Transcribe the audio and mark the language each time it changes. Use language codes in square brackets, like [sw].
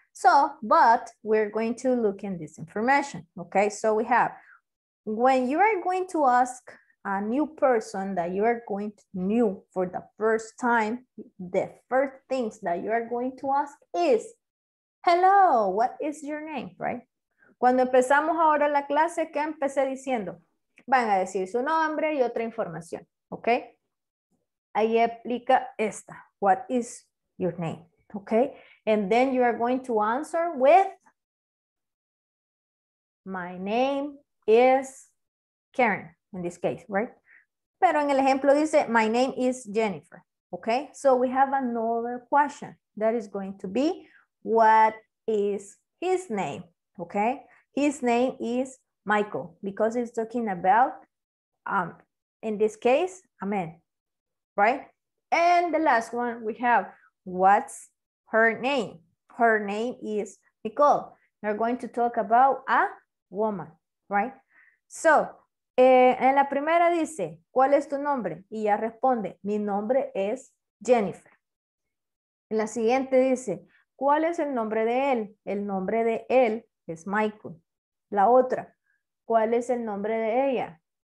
[en] So, but we're going to look in this information. ¿Ok? So we have, when you are going to ask a new person that you are going to know for the first time, the first things that you are going to ask is, hello, what is your name, right? [es] Cuando empezamos ahora la clase, ¿qué empecé diciendo? Van a decir su nombre y otra información, ¿ok? Ahí aplica esta, [en] what is your name, [es] ¿ok? [en] And then you are going to answer with, my name is Karen, in this case, right? [es] Pero en el ejemplo dice, [en] my name is Jennifer, [es] ¿ok? [en] So we have another question that is going to be, what is his name? Okay, his name is Michael because it's talking about, in this case, a man, right? And the last one we have, what's her name? Her name is Nicole. We're going to talk about a woman, right? [es] So, en la primera dice, ¿cuál es tu nombre? Y ya responde, mi nombre es Jennifer. En la siguiente dice, ¿cuál es el nombre de él? El nombre de él es Michael. La otra, ¿cuál es el nombre de ella?